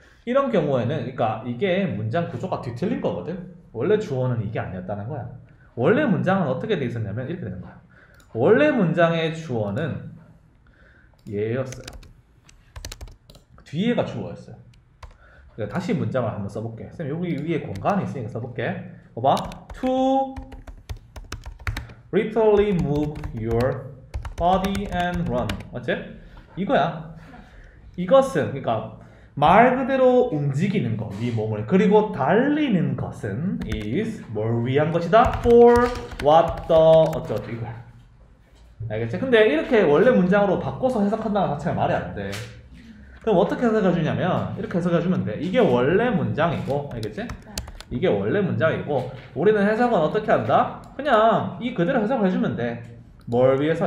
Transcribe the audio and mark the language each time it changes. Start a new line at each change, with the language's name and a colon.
Korean: 이런 경우에는 그러니까 이게 문장 구조가 뒤틀린 거거든 원래 주어는 이게 아니었다는 거야 원래 문장은 어떻게 되어 있었냐면 이렇게 되는 거예요. 원래 문장의 주어는 얘였어요. 뒤에가 주어였어요. 그러니까 다시 문장을 한번 써볼게. 선생님 여기 위에 공간이 있으니까 써볼게. 봐봐.
English: To literally move your body and run.
Korean: 맞지? 이거야. 이것은 그러니까 말 그대로 움직이는 것, 네 몸을 그리고 달리는 것은 is 뭘 위한 것이다?
English: For what the 어쩌고 이거야.
Korean: 알겠지? 근데 이렇게 원래 문장으로 바꿔서 해석한다는 자체가 말이 안 돼. 그럼 어떻게 해석해 주냐면 이렇게 해석해 주면 돼. 이게 원래 문장이고, 알겠지? 이게 원래 문장이고 우리는 해석은 어떻게 한다? 그냥 이 그대로 해석을 해주면 돼. 뭘 위해서?